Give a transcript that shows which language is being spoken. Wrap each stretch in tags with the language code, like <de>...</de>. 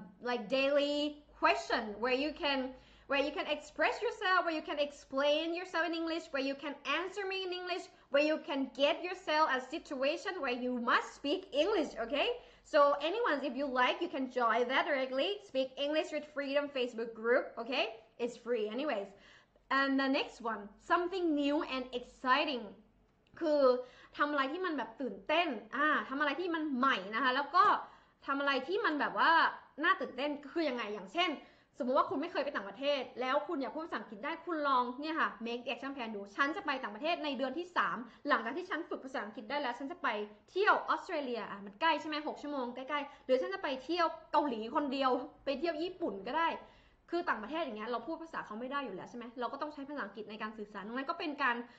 <en>like daily question where you can express yourself where you can explain yourself in English where you can answer me in English where you can get yourself a situation where you must speak English okaySo anyone, if you like, you can join that directly. Speak English with Freedom Facebook group, okay? It's free anyways. And the next one, something new and exciting.</en> <th>คือทำอะไรที่มันแบบตื่นเต้นทำอะไรที่มันใหม่นะคะแล้วก็ทำอะไรที่มันแบบว่าน่าตื่นเต้นคือยังไงอย่างเช่นสมมติว่าคุณไม่เคยไปต่างประเทศแล้วคุณอยากพูดภาษาอังกฤษได้คุณลองเนี่ยค่ะ</th> <en>make the action plan</en> <th>ดูฉันจะไปต่างประเทศในเดือนที่3หลังจากที่ฉันฝึกภาษาอังกฤษได้แล้วฉันจะไปเที่ยวออสเตรเลียมันใกล้ใช่ไหม6ชั่วโมงใกล้ๆหรือฉันจะไปเที่ยวเกาหลีคนเดียวไปเที่ยวญี่ปุ่นก็ได้คือต่างประเทศอย่างเงี้ยเราพูดภาษาเขาไม่ได้อยู่แล้วใช่ไหมเราก็ต้องใช้ภาษาอังกฤษในการสื่อสารตรงนั้นก็เป็นการ</th>